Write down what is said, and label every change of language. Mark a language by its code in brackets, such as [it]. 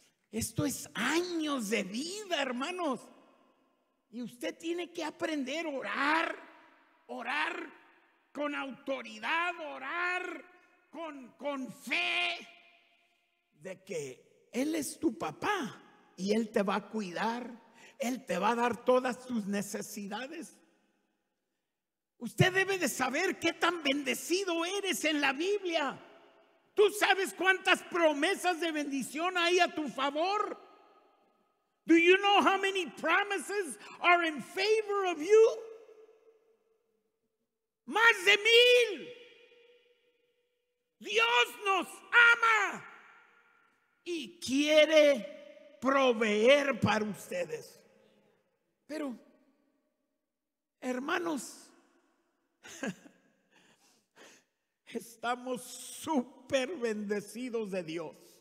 [es] Esto es años de vida, hermanos. Y usted tiene que aprender a orar, orar con autoridad, orar con fe de que Él es tu papá y Él te va a cuidar, Él te va a dar todas tus necesidades. Usted debe de saber qué tan bendecido eres en la Biblia. ¿Tú sabes cuántas promesas de bendición hay a tu favor? [en] Do you know how many promises are in favor of you? [es] Más de 1,000. Dios nos ama y quiere proveer para ustedes. Pero, hermanos, estamos súper bendecidos de Dios.